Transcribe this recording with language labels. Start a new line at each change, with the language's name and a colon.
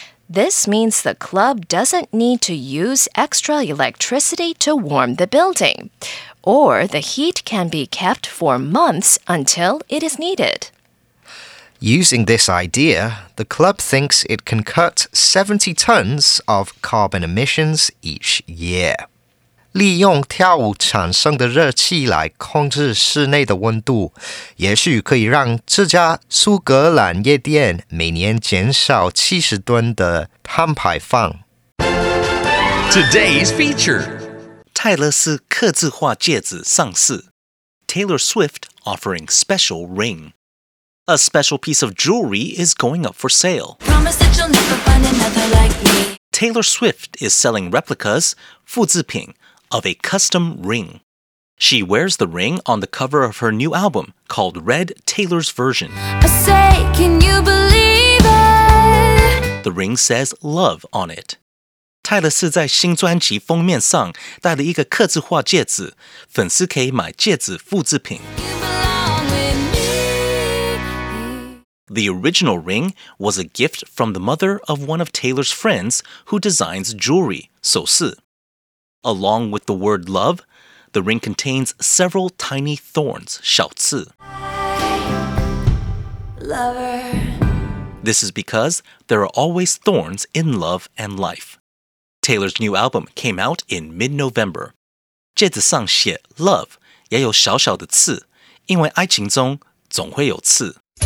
English: This means the club doesn't need to use extra electricity to warm the building, or the heat can be kept for months until it is needed. Using this idea, the club thinks it can cut 70 tons of carbon emissions each year.
Chinese: 利用跳舞产生的热气来控制室内的温度，也许可以让这家苏格兰夜店每年减少70吨的碳排放。
English: Today's feature:
Chinese: 泰勒斯客制化戒指上市。
English: Taylor Swift offering special ring. A special piece of jewelry is going up for sale. Promise that you'll never find another like me. Taylor Swift is selling replicas,
Chinese: 复制品。
English: Of a custom ring. She wears the ring on the cover of her new album called Red Taylor's Version. I say, can you believe it? The ring says love on it.
Chinese: 泰勒斯在新专辑封面上戴了一个客制化戒指，粉丝可以买戒指复制品。
English: The original ring was a gift from the mother of one of Taylor's friends who designs jewelry,
Chinese: 首饰。
English: Along with the word love, the ring contains several tiny thorns,
Chinese: 小刺。
English: Lover. This is because there are always thorns in love and life. Taylor's new album came out in mid-November.
Chinese: 戒指上写 love 也有小小的刺，因为爱情中总会有刺。